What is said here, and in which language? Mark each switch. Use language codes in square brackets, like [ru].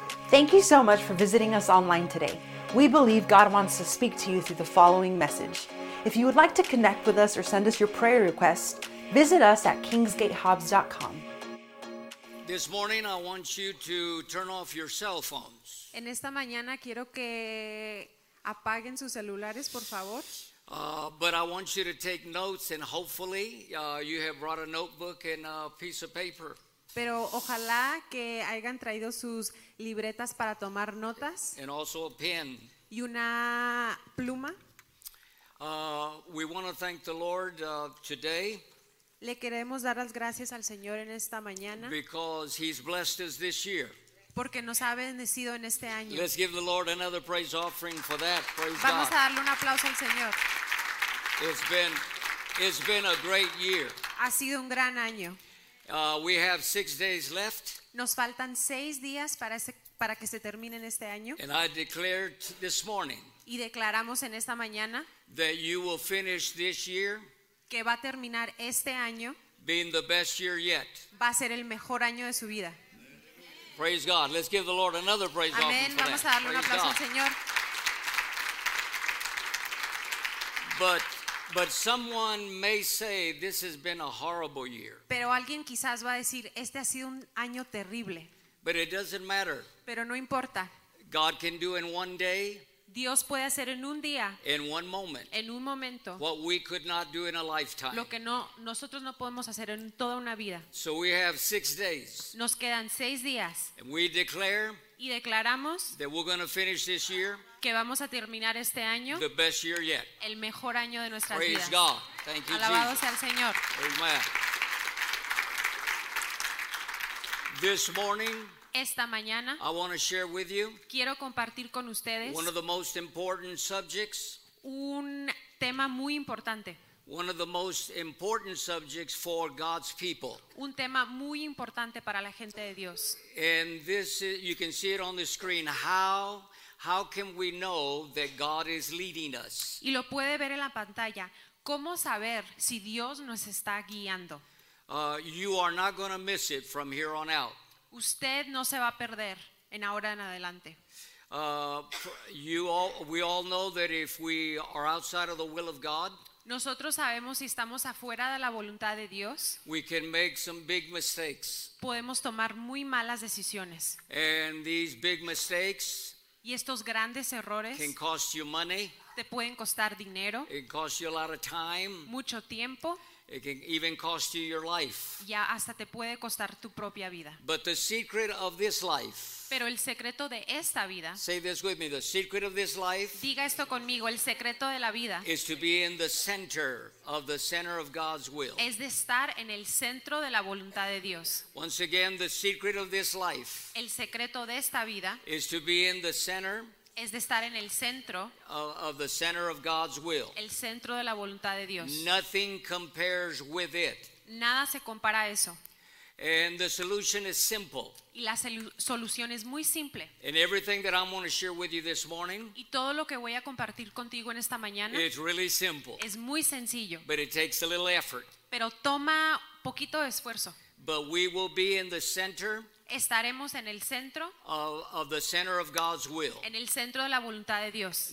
[en] Thank you so much for visiting us online today. We believe God wants to speak to you through the following message. If you would like to connect with us or send us your prayer request, visit us at kingsgatehobbs.com. This morning, I want you to turn off your cell phones. [es] En esta mañana quiero que apaguen sus celulares, por favor. [en] But I want you to take notes, and hopefully you have brought a notebook and a piece of paper. [es] Pero ojalá que hayan traído sus libretas para tomar notas. [en] And also a pen. [es] Y una pluma. [en] We want to thank the Lord today. [es] Le queremos dar las gracias al Señor en esta mañana. [en] Because he's blessed us this year. [es] Porque nos ha bendecido en este año. [en] Let's give the Lord another praise offering for that. Praise [es] Vamos Vamos a darle un aplauso al Señor. [en] It's been a great year. [es] Ha sido un gran año. [en] We have 6 days left. [es] Nos faltan 6 días para que se terminen este año. [en] And I declare this morning. [es] Y declaramos en esta mañana. [en] That you will finish this year. [es] Que va a terminar este año. [en] Being the best year yet. [es] Va a ser el mejor año de su vida. [en] Praise God. Let's give the Lord another praise offering. [es] Amen. Vamos a darle un aplauso al Señor. [en] But someone may say this has been a horrible year. [es] Pero alguien quizás va a decir este ha sido un año terrible. [en] But it doesn't matter. [es] Pero no importa. [en] God can do in one day. [es] Dios puede hacer en un día. [en] In one moment. [es] En un momento. [en] What we could not do in a lifetime. [es] Lo que no nosotros no podemos hacer en toda una vida. [en] So we have 6 days. [es] Nos quedan 6 días. [en] And we declare. [es] Y declaramos. [en] That we're going to finish this year. [es] Que vamos a terminar este año. [en] The best year yet. [es] El mejor año de nuestras [en] Praise Praise God. Thank you, [es] Alabado [en] Jesus. [es] Sea el Señor. [en] Amen. This morning. [es] Esta mañana, [en] I want to share with you [es] quiero compartir con ustedes [en] one of the most important subjects, [es] un tema muy importante. [en] One of the most important subjects for God's people. [es] Un tema muy importante para la gente de Dios. [en] And this is, you can see it on the screen, how can we know that God is leading us? [es] Y lo puede ver en la pantalla. ¿Cómo saber si Dios nos está guiando? [en] You are not going to miss it from here on out. [es] Usted no se va a perder en ahora en adelante. [en] We all know that if we are outside of the will of God, [es] nosotros sabemos si estamos afuera de la voluntad de Dios, [en] we can make some big mistakes. [es] Podemos tomar muy malas decisiones. [en] And these big mistakes, [es] y estos grandes errores, [en] can cost you money, [es] te pueden costar dinero, [en] it costs you a lot of time, [es] mucho tiempo. [en] It can even cost you your life. [es] Ya hasta te puede costar tu propia vida. [en] But the secret of this life. [es] Pero el secreto de esta vida. [en] Say this with me, the secret of this life. [es] Diga esto conmigo, el secreto de la vida. [en] Is to be in the center of God's will. [es] Es de estar en el centro de la voluntad de Dios. [en] Once again, the secret of this life. [es] El secreto de esta vida. [en] Is to be in the center. [es] Es de estar en el centro [en] of the center of God's will. [es] El centro de la voluntad de Dios. [en] Nothing compares with it. [es] Nada se compara a eso. [en] And the solution is simple. [es] Y la solución es muy simple. [en] And everything that I'm going to share with you this morning. [es] Y todo lo que voy a compartir contigo en esta mañana. [en] It's really simple. [es] Es muy sencillo. [en] But it takes a little effort. [es] Pero toma poquito de esfuerzo. [en] But we will be in the center. [es] Estaremos en el centro [en] of the center of God's will. [es] En el centro de la voluntad de Dios.